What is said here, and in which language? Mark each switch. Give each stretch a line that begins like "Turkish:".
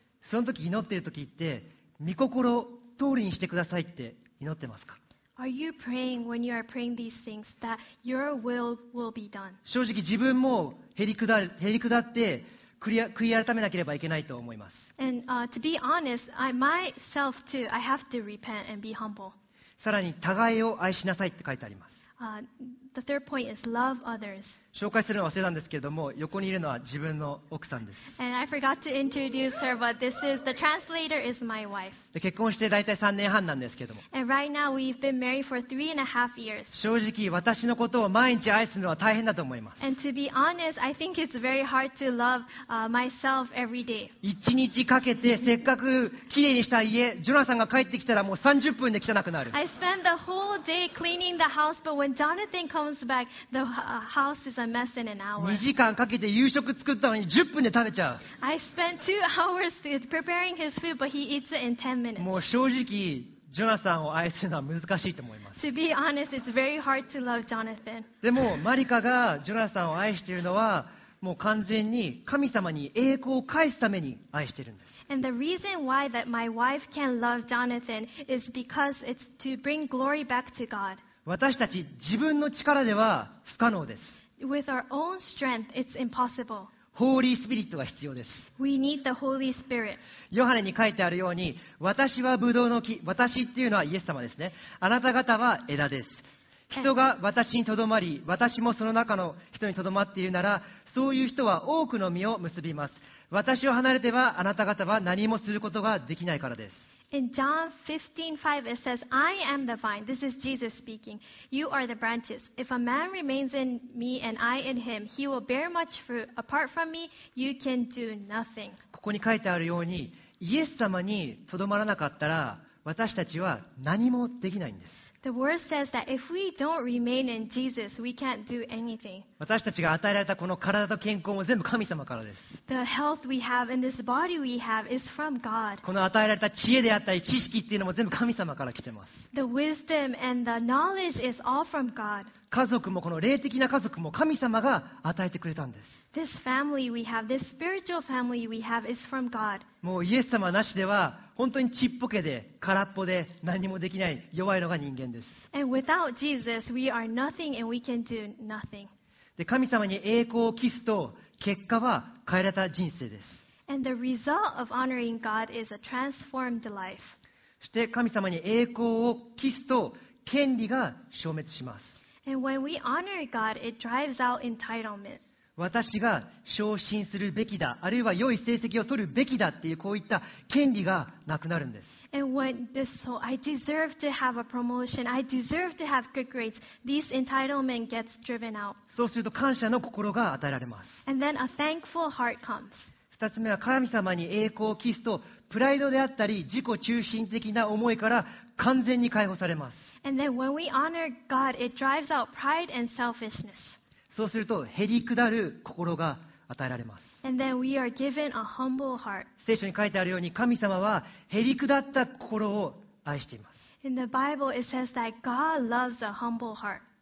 Japanese: その時祈っている時って、御心通りにしてくださいって祈ってますか？
English: Are you praying when you are praying these things that your will be done?
Japanese: 正直自分も減り下って、悔い改めなければいけないと思います。
English: And to be honest, I myself too, I have to repent and be humble.
Japanese: さらに互いを愛しなさいって書いてあります。
English: The third point is love others.
Japanese: 紹介するのは忘れたんですけれども、横にいるのは自分の奥さんです。
English: And I forgot to introduce her, but this is the translator is my wife.
Japanese: で、結婚して大体3年半なんですけども。
English: And right now we've been married for 3.5 years.
Japanese: 正直私のことを毎日愛すのは大変だと思います。
English: And to be honest, I think it's very hard to love myself every day.
Japanese: 一日かけてせっかく綺麗にした家、ジョナサンが帰ってきたらもう30分で汚くなる。
English: I spend the whole day cleaning the house, but when Jonathan comes back, the house is a mess in an hour.
Japanese: 2時間かけて夕食作ったのに10分で食べちゃう。
English: I spent 2 hours preparing his food, but he eats it in 10 minutes.
Japanese: もう正直、ジョナサンを愛するのは難しいと思います。
English: To be honest, it's very hard to love Jonathan.
Japanese: でもマリカがジョナサンを愛しているのは、もう完全に神様に栄光を返すために愛しているんです。
English: And the reason why that my wife can love Jonathan is because it's to bring glory back to God.
Japanese: 私たち自分の力では不可能です。
English: With our own strength, it's impossible.
Japanese: ホーリースピリットが必要です。
English: We need the Holy Spirit.
Japanese: ヨハネに書いてあるように、私はブドウの木、私っていうのはイエス様ですね。あなた方は枝です。人が私にとどまり、私もその中の人にとどまっているなら、そういう人は多くの実を結びます。私を離れてはあなた方は何もすることができないからです。
English: In John 15:5, it says, I am the vine. This is Jesus speaking. You are the branches. If a man remains in me and I in him, he will bear much fruit. Apart from me, you can do nothing.
Japanese: ここに書いてあるように、イエス様にとどまらなかったら、私たちは何もできないんです。
English: The word says that if we don't remain in Jesus, we can't do anything.
Japanese: 私たちが与えられたこの体と健康も全部神様からです。
English: The health we have and this body we have is from God.
Japanese: この与えられた知恵であったり知識っていうのも全部神様から来てます。
English: The wisdom and the knowledge is all from God.
Japanese: 家族もこの霊的な家族も神様が与えてくれたんです。
English: This family we have, this spiritual family we have is from God.
Japanese: もうイエス様なしでは本当にちっぽけで空っぽで何もできない弱いのが人間です。
English: And without Jesus, we are nothing and we can do nothing.
Japanese: で、神様に栄光を期すと結果は変えられた人生です。
English: And the result of honoring God is a transformed life.
Japanese: そして神様に栄光を期すと権利が消滅します。
English: And when we honor God, it drives out entitlement.
Japanese: 私が昇進するべきだ、あるいは良い成績を取るべきだっていうこういった権利がなくなるんです。
English: And when this, so I deserve to have a promotion, I deserve to have good grades, these entitlement gets driven out.
Japanese: そうすると感謝の心が与えられます。
English: And then a thankful heart comes.
Japanese: 二つ目は神様に栄光を期すと、プライドであったり自己中心的な思いから完全に解放されます。
English: And then when we honor God, it drives out pride and selfishness.
Japanese: そうすると減り下る心が与えられます。
English: And then we are given a humble heart.
Japanese: 聖書に書いてあるように神様は減り下った心を愛しています。
English: In the Bible, it says that God loves a humble heart.